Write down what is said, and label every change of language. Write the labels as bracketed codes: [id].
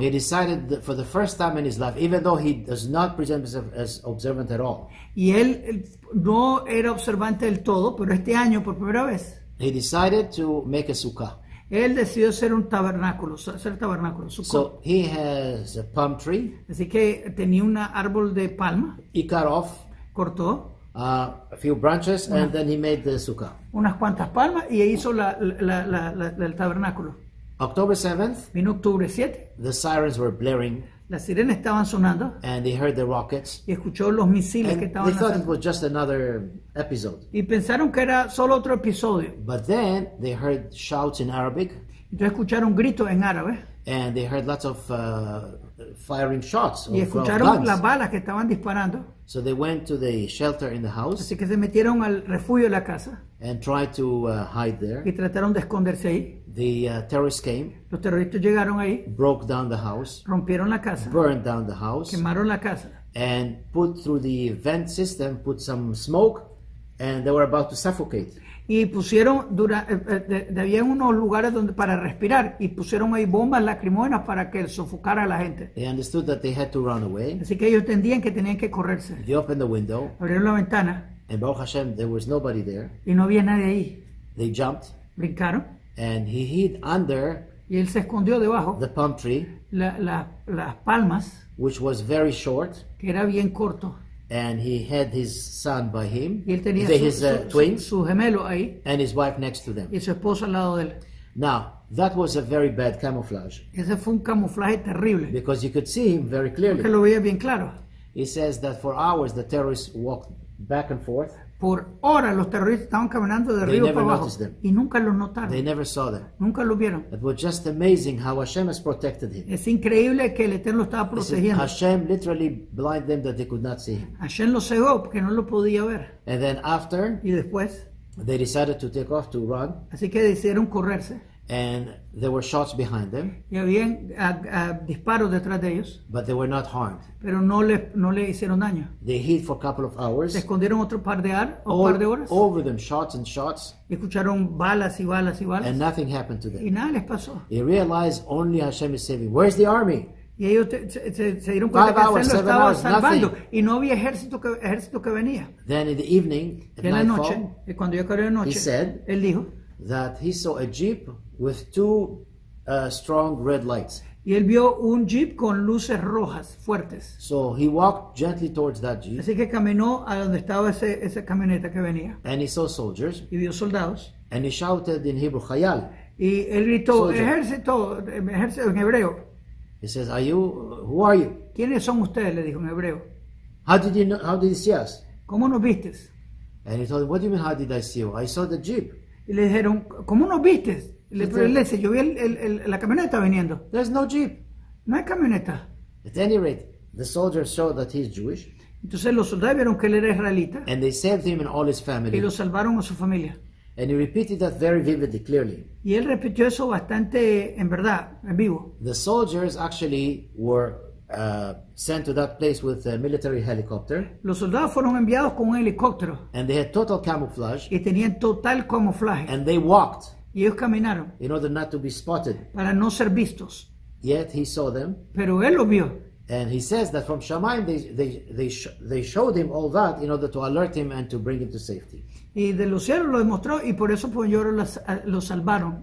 [en] he decided that for the first time in his life, even though he does not present himself as observant at all. [es] Y él no era observante del todo, pero este año por primera vez. [en] He decided to make a sukkah. [es] Él decidió hacer un tabernáculo, hacer tabernáculo. Sukkot. [en] So he has a palm tree. [es] Así que tenía un árbol de palma. [en] He cut off. [es] Cortó. [en] A few branches and then he made the sukkah. [es] Unas cuantas palmas y hizo el tabernáculo. [en] October 7th. [es] Vino octubre 7. [en] The sirens were blaring. [es] Las sirenas estaban sonando. [en] And he heard the rockets. [es] Y escuchó los misiles [en] and [es] que estaban lanzando. [en] They thought it was just another episode. [es] Y pensaron que era solo otro episodio. [en] But then they heard shouts in Arabic. [es] Entonces escucharon gritos en árabe. [en] And they heard lots of firing shots. [es] Y escucharon las balas que estaban disparando. [en] So they went to the shelter in the house. [es] Así que se metieron al refugio de la casa. [en] And tried to hide there. [es] Y trataron de esconderse ahí. [en] The terrorists came. [es] Los terroristas llegaron ahí. [en] Broke down the house. [es] Rompieron la casa. [en] Burned down the house. [es] Quemaron la casa. [en] And put through the vent system, put some smoke, and they were about to suffocate. [es] Y pusieron había unos lugares donde para respirar y pusieron ahí bombas lacrimógenas para que sofocara a la gente. [en] They understood that they had to run away. [es] Así que ellos entendían que tenían que correrse. [en] They opened the window. [es] Abrieron la ventana. [en] And Baruch Hashem, there was nobody there. [es] Y no había nadie ahí. [en] They jumped. [es] Brincaron. [en] And he hid under. [es] Y él se escondió debajo. [en] The palm tree. [es] Las palmas. [en] Which was very short. [es] Que era bien corto. [en] And he had his son by him. [es] Y él tenía [en] twins. [es] Su gemelo ahí. [en] And his wife next to them. [es] Y su esposa al lado de él. [en] Now, that was a very bad camouflage. [es] Ese fue un camuflaje terrible. [en] Because you could see him very clearly. [es] Porque lo veía bien claro. [en] He says that for hours the terrorists walked back and forth. [es] Por horas los terroristas estaban caminando de arriba para abajo. [en] Them. [es] Y nunca los notaron. [en] They never saw them. [es] Nunca lo vieron. [en] It was just amazing how Hashem has protected him. [es] Es increíble que el Eterno lo estaba protegiendo. [en] Hashem literally blinded them that they could not see him. [es] Hashem lo cegó porque no lo podía ver. [en] And then after, [es] y después, [en] they decided to take off to run. [es] Así que decidieron correrse. [en] And there were shots behind them. [es] Y habían disparos detrás de ellos. [en] But they were not harmed. [es] Pero no le hicieron daño. [en] They hid for a couple of hours. [es] Se escondieron otro par de horas. [en] Over them shots and shots. [es] Y escucharon balas y balas y balas. [en] And nothing happened to them. [es] Y nada les pasó. [en] They realized only Hashem is saving. Where's the army? [es] Y ellos se dieron cuenta que Hashem lo estaba salvando. Y no había ejército que venía. [en] Then in the evening, at nightfall, [es] cuando yo caí de noche, [en] he said, [es] él dijo, [en] that he saw a jeep with two strong red lights. [es] Y él vio un jeep con luces rojas fuertes. [en] So he walked gently towards that jeep. [es] Así que caminó a donde estaba esa camioneta que venía. [en] And he saw soldiers. [es] Y vio soldados. [en] And he shouted in Hebrew, "Chayal." [es] Y él gritó, soldier. "Ejército, ejército" en hebreo. [en] He says, "Are you? Who are you?" [es] ¿Quiénes son ustedes?, le dijo en hebreo. [en] How did you see us? [es] ¿Cómo nos vistes? [en] And he told him, "What do you mean? How did I see you? I saw the jeep." [es] Y le dijeron, ¿cómo nos viste? Le dice, yo vi la camioneta viniendo. [en] There's no jeep. [es] No hay camioneta. [en] At any rate, the soldier saw that he's Jewish. [es] Entonces los soldados vieron que él era israelita. [en] And they saved him and all his family. [es] Y lo salvaron a su familia. [en] And he repeated that very vividly, clearly. [es] Y él repitió eso bastante, en verdad, en vivo. [en] The soldiers actually were sent to that place with a military helicopter. [es] Los soldados fueron enviados con un helicóptero. [en] And they had total camouflage. [es] Y tenían total camuflaje. [en] And they walked. [es] Y ellos caminaron. [en] In order not to be spotted. [es] Para no ser vistos. [en] Yet he saw them. [es] Pero él lo vio. [en] And he says that from Shamayim they showed him all that in order to alert him and to bring him to safety. [es] Y de los cielos lo demostró y por eso por ellos lo salvaron.